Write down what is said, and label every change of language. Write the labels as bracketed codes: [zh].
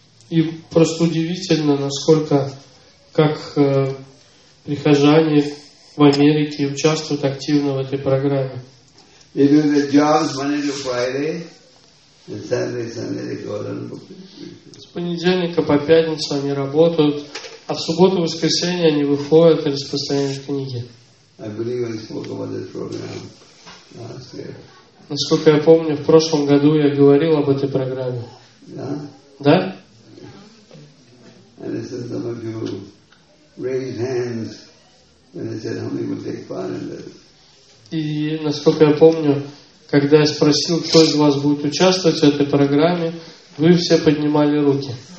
[ru] И просто удивительно, насколько как прихожане в Америке участвуют активно в этой программе. [en] They do their jobs Monday to Friday, and Saturday, Sunday they go on book distribution. [ru] С понедельника по пятницу они работают, а в субботу, воскресенье они выходят и распространяют книги. [en] I believe I spoke about this program last year. [ru] Насколько я помню, в прошлом году я говорил об этой программе. Да? Да? [en] And I said some of you raised hands when I said how many would take part in this. [ru] И, насколько я помню, когда я спросил, кто из вас будет участвовать в этой программе, вы все поднимали руки.